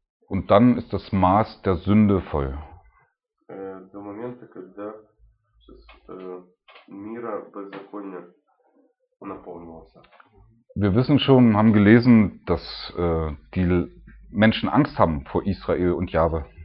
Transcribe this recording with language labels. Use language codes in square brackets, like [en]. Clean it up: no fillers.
[de] Und dann ist das Maß der Sünde voll. [uk] До моменту, коли міра беззаконня наповнилася. [de] Wir wissen schon, haben gelesen, dass die Menschen Angst haben vor Israel und Jahwe.